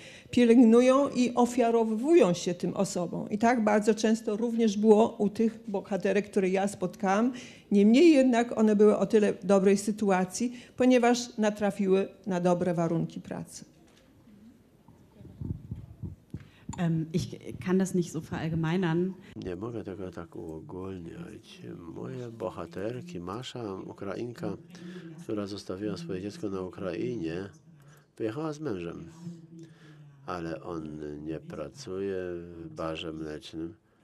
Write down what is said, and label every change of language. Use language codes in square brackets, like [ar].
[pl] Pielęgnują i ofiarowują się tym osobom. I tak bardzo często również było u tych bohaterek, które ja spotkałam. Niemniej jednak one były o tyle dobrej sytuacji, ponieważ natrafiły na dobre warunki pracy. [de] Ich kann das nicht so verallgemeinern. [pl] Nie mogę tego tak uogólniać. Moje bohaterki, Masza, Ukrainka, która zostawiła swoje dziecko na Ukrainie, wyjechała z mężem, ale on nie pracuje w barze mlecznym.